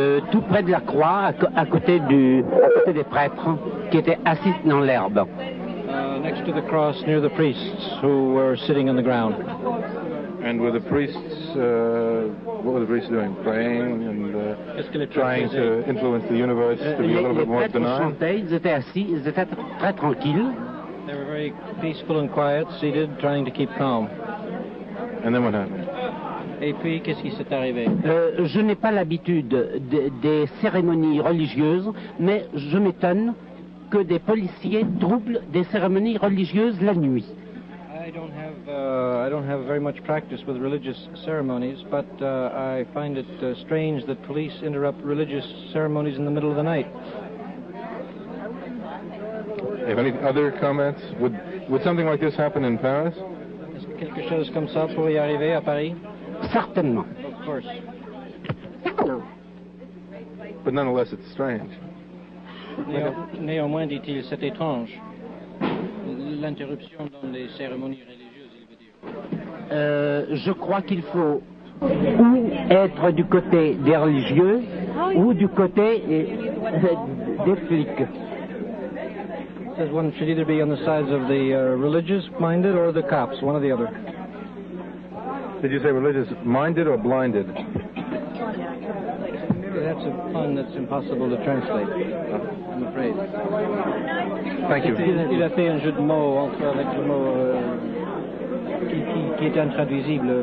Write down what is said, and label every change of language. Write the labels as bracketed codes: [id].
[fr] Tout près de la croix, à côté des prêtres qui étaient assis dans l'herbe. [en] Next to the cross, near the priests who were sitting on the ground. And were the priests, what were the priests doing? Praying and trying to influence the universe to be a little bit more benign? [fr] Ils étaient assis, ils étaient très tranquilles. [en] They were very peaceful and quiet, seated, trying to keep calm. And then what happened? [fr] Et puis, qu'est-ce qui s'est arrivé? Je n'ai pas l'habitude des cérémonies religieuses, mais je m'étonne que des policiers troublent des cérémonies religieuses la nuit. [en] I don't have very much practice with religious ceremonies, but I find it strange that police interrupt religious ceremonies in the middle of the night. Have any other comments? Would something like this happen in Paris? [fr] Est-ce que quelque chose comme ça pourrait arriver à Paris? Certainement. [en] Of course. But nonetheless, it's strange. [fr] Néanmoins, dit-il, c'est étrange. L'interruption dans les cérémonies religieuses, il veut dire. Je crois qu'il faut ou être du côté des religieux ou du côté des flics. [en] Says one should either be on the sides of the religious-minded or the cops, one or the other. Did you say religious-minded or blinded? That's a pun that's impossible to translate, I'm afraid. Thank you. [fr] Il a fait un jeu de mots entre avec le mot qui était intraduisible.